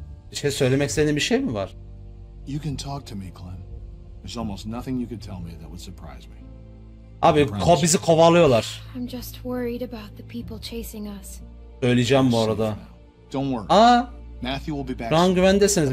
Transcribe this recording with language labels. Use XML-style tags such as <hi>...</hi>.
<tr>Bir şey söylemek istediğin bir şey mi var?</tr> <en>You can talk to me, Clem. There's almost nothing you could tell me that would surprise me.</en> <tr>Abi, bizi kovalıyorlar.</tr> <en>I'm just worried about the people chasing us.</en> <tr>Söyleyeceğim bu arada.</tr> <en>Don't worry. Aa, Matthew will be back.</en> <tr>Şu an güvendesiniz.</tr>